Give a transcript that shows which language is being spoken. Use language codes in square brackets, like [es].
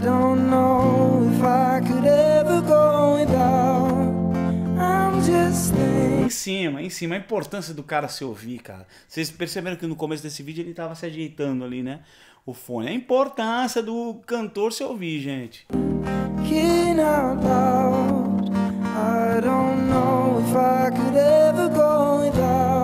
[en] I don't know if I could ever go without. I'm just there. [pt] Em cima, a importância do cara se ouvir, cara. Vocês perceberam que no começo desse vídeo ele tava se ajeitando ali, né? O fone. A importância do cantor se ouvir, gente. [en] Can I doubt? I don't know if I could ever go without.